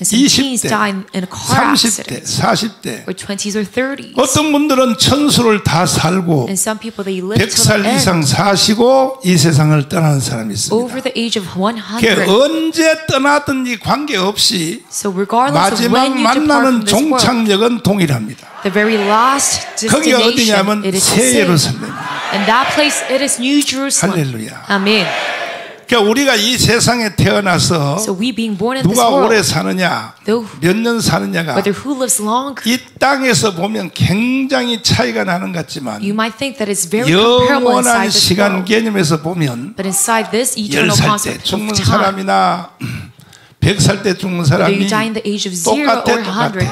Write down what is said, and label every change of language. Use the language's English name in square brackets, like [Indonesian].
[Korean] 20대, 30대, 40대. 어떤 분들은 천수를 다 살고 100살 이상 사시고 이 세상을 떠나는 사람이 있습니다. 그게 언제 떠나든지 관계없이 마지막 만나는 종착역은 동일합니다. [English] The very last destination, it is the same. [Korean] 예루살렘. [English] And that place, it is New Jerusalem. Hallelujah. Amen. [Korean] 그러니까 우리가 이 세상에 태어나서 누가 오래 사느냐 몇 년 사느냐가 이 땅에서 보면 굉장히 차이가 나는 것 같지만 영원한 시간 개념에서 보면 10살 때 죽는 사람이나 100살 때 죽는 사람이 똑같아, 똑같아.